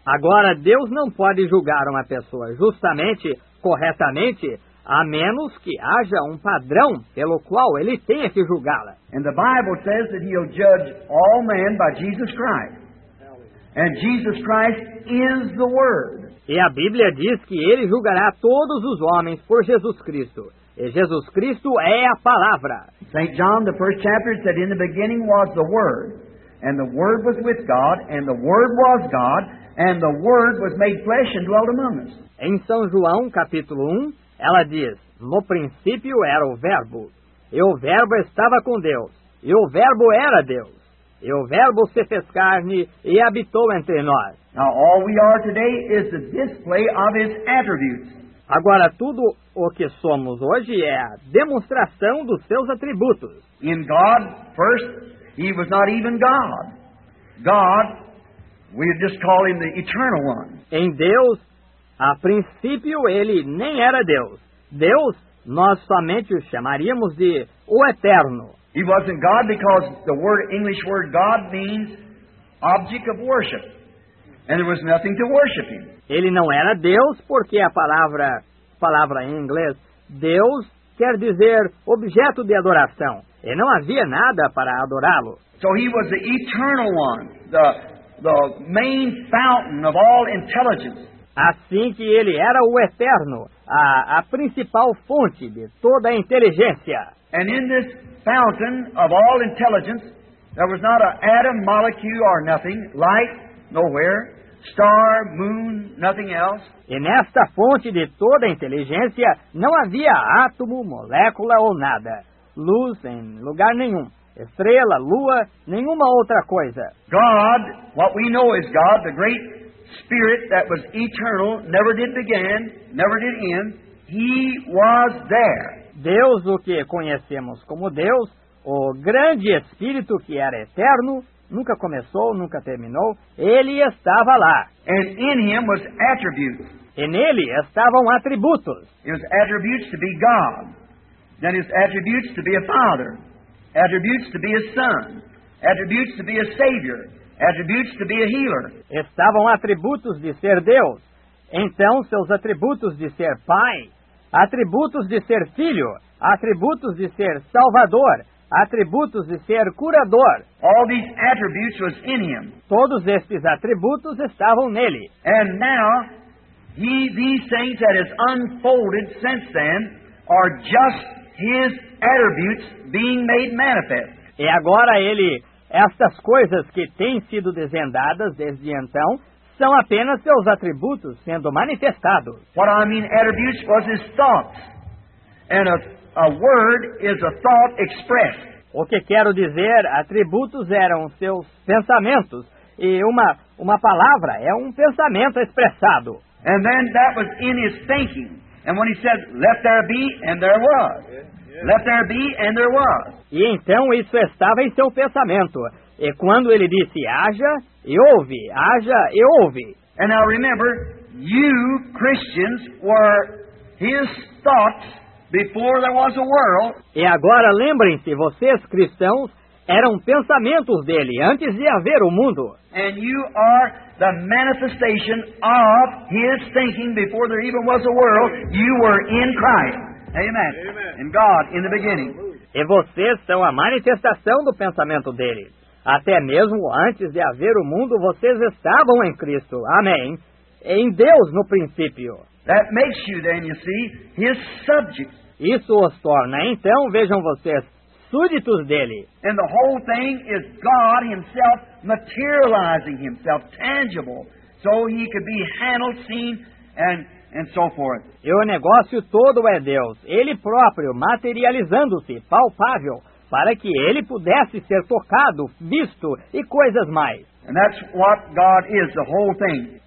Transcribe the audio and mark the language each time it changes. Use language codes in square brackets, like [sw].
[pt] Agora, Deus não pode julgar uma pessoa justamente, corretamente, a menos que haja um padrão pelo qual ele tenha que julgá-la. [en] And the Bible says that he'll judge all men by Jesus Christ. And Jesus Christ is the Word. [pt] E a Bíblia diz que ele julgará todos os homens por Jesus Cristo. E Jesus Cristo é a palavra. [en] St. John, the first chapter, said in the beginning was the Word. And the Word was with God, and the Word was God, and the Word was made flesh and dwelt among us. [pt] Em São João, capítulo 1, ela diz, No princípio era o Verbo, e o Verbo estava com Deus, e o Verbo era Deus. E o Verbo se fez carne e habitou entre nós. [en] Now, all we are today is the display of his attributes. [pt] Agora, tudo o que somos hoje é a demonstração dos seus atributos. [en] In God, first, he was not even God. God, we just call him the eternal one. [pt] Em Deus, a princípio, ele nem era Deus. Deus, nós somente o chamaríamos de o Eterno. [en] He wasn't God because the word English word God means object of worship. And there was nothing to worship him. [pt] Ele não era Deus porque a palavra em inglês, Deus, quer dizer objeto de adoração. E não havia nada para adorá-lo. [en] So he was the eternal one, the main fountain of all intelligence. [pt] Assim que ele era o eterno, a principal fonte de toda a inteligência. [en] And in this fountain of all intelligence, there was not an atom, molecule, or nothing, light, nowhere, star, moon, nothing else. [pt] E nesta fonte de toda inteligência, não havia átomo, molécula ou nada, luz em lugar nenhum, estrela, lua, nenhuma outra coisa. [en] God, what we know is God, the great spirit that was eternal, never did begin, never did end, he was there. [pt] Deus, o que conhecemos como Deus, o grande Espírito que era eterno, nunca começou, nunca terminou, ele estava lá. [en] And in him was attributes. [pt] E nele estavam atributos. [en] His attributes to be God, then his attributes to be a Father, attributes to be a Son, attributes to be a Savior, attributes to be a Healer. [pt] Estavam atributos de ser Deus, então seus atributos de ser Pai, atributos de ser filho, atributos de ser salvador, atributos de ser curador. [en] All these attributes was in him. [pt] Todos estes atributos estavam nele. [en] And now, these things that has unfolded since then are just his attributes being made manifest. [pt] E agora ele, estas coisas que têm sido desvendadas desde então, são apenas seus atributos sendo manifestados. [en] What I mean attributes was his thoughts. And a word is a thought expressed. [pt] O que quero dizer, atributos eram seus pensamentos. E uma palavra é um pensamento expressado. [en] And then that was in his thinking. And when he said, let there be, and there was. Let there be, and there was. [pt] E então isso estava em seu pensamento. E quando ele disse, haja, e houve, haja, e houve. [en] And now remember, you Christians were his thoughts before there was a world. [pt] E agora lembrem-se, vocês cristãos eram pensamentos dele antes de haver o mundo. [en] And you are the manifestation of his thinking before there even was a world. You were in Christ. Amen. And God in the beginning. [pt] E vocês são a manifestação do pensamento dele. Até mesmo antes de haver o mundo, vocês estavam em Cristo. Amém. Em Deus no princípio. [en] That makes you then, you see, his subjects. [pt] Isso os torna, então, vejam vocês, súditos dele. [en] And the whole thing is God himself materializing himself, tangible, so he could be handled, seen, and so forth. [pt] E o negócio todo é Deus, ele próprio materializando-se, palpável, para que ele pudesse ser tocado, visto e coisas mais. [en] And that's what God is, the whole thing.